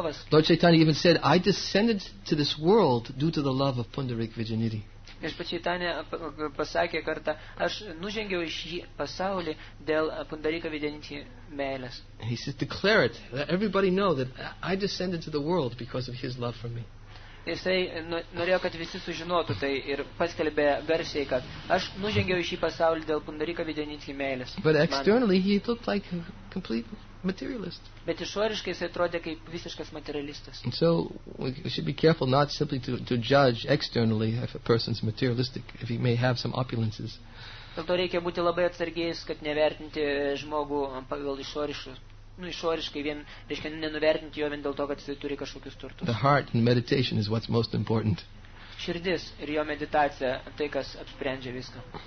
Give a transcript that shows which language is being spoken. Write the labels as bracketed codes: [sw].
[en] Lord Chaitanya even said, "I descended to this world due to the love of Pundarik Vidyaniti." [lt] Viešpats Chaitanya pasakė kartą, "Aš nužengiau iš šį pasaulį dėl Pundarika Vidyaniti meilės." [en] He said, "Declare it. Let everybody know that I descended to the world because of his love for me." [lt] Jisai norėjo, kad visi sužinotų tai ir paskelbė garsiai, kad aš nužengiau iš šį pasaulį dėl Pundarika Vidyaniti meilės. [en] But externally he looked like a complete materialist. [lt] Bet išoriškai jisai atrodė kaip visiškas materialistas. [en] And so we should be careful not simply to judge externally if a person's materialistic, if he may have some opulences. [lt] Dėl to reikia būti labai atsargiais, kad nevertinti žmogų pagal išoriškus. Nu, išoriškai vien, reiškia, nenuvertinti jo vien dėl to, kad jis turi kažkokius turtus. [en] The heart and meditation is what's most important. [lt] Širdis ir jo meditacija tai, kas apsprendžia viską.